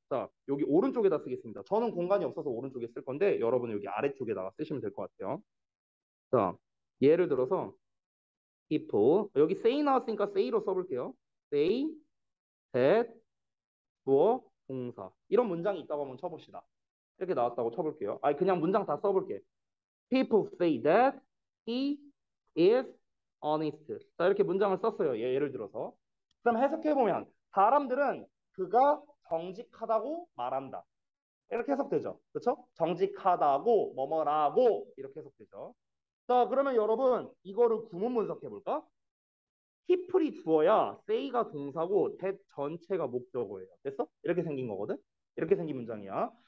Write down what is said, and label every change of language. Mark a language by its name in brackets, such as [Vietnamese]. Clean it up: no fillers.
[Korean] 자, 여기 오른쪽에다 쓰겠습니다. 저는 공간이 없어서 오른쪽에 쓸 건데, 여러분은 여기 아래쪽에다가 쓰시면 될것 같아요. 자, 예를 들어서 if 여기 say 나왔으니까 say로 써볼게요. say that 주어 동사 이런 문장이 있다고 한번 쳐봅시다. 이렇게 나왔다고 쳐볼게요. 아니 그냥 문장 다 써볼게. [English] People say that he is honest. [Korean] 자, 이렇게 문장을 썼어요. 예를 들어서. 그럼 해석해보면 사람들은 그가 정직하다고 말한다. 이렇게 해석되죠. 그렇죠? 정직하다고 뭐뭐라고 이렇게 해석되죠. 자, 그러면 여러분 이거를 구문 분석해볼까? People이 주어야 say가 동사고 that 전체가 목적어예요. 됐어? 이렇게 생긴 거거든? 이렇게 생긴 문장이야.